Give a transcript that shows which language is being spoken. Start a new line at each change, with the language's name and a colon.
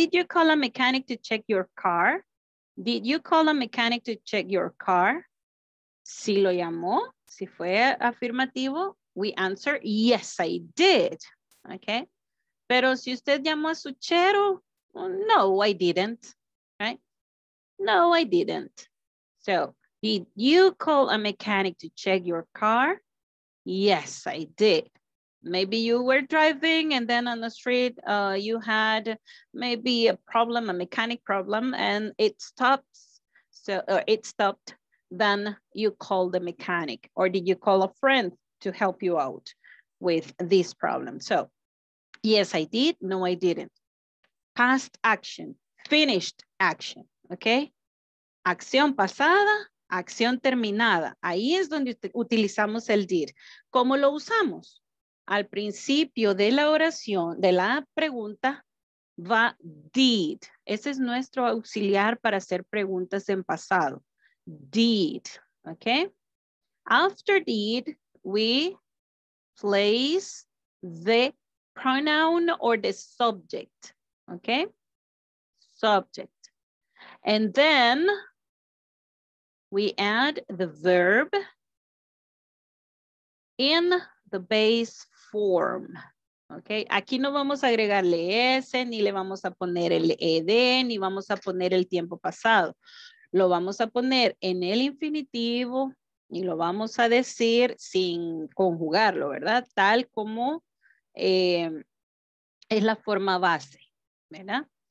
English: Did you call a mechanic to check your car? Did you call a mechanic to check your car?
Spanish: Si lo llamó, si fue afirmativo,
English: we answer, yes, I did, okay?
Spanish: Pero si usted llamó a su chero,
English: no, I didn't, right? No, I didn't. So, did you call a mechanic to check your car? Yes, I did. Maybe you were driving and then on the street you had maybe a problem, a mechanic problem, and it stops. So it stopped, then you call the mechanic. Or did you call a friend to help you out with this problem? So yes, I did. No, I didn't. Past action, finished action, okay?
Spanish: Acción pasada, acción terminada. Ahí es donde utilizamos el did. ¿Cómo lo usamos? Al principio de la oración, de la pregunta, va did. Ese es nuestro auxiliar para hacer preguntas en pasado.
English: Did, okay? After did, we place the pronoun or the subject, okay? Subject. And then we add the verb in the base form.
Spanish: Okay, aquí no vamos a agregarle ese, ni le vamos a poner el ed, ni vamos a poner el tiempo pasado. Lo vamos a poner en el infinitivo y lo vamos a decir sin conjugarlo, ¿verdad? Tal como es la forma base, ¿verdad?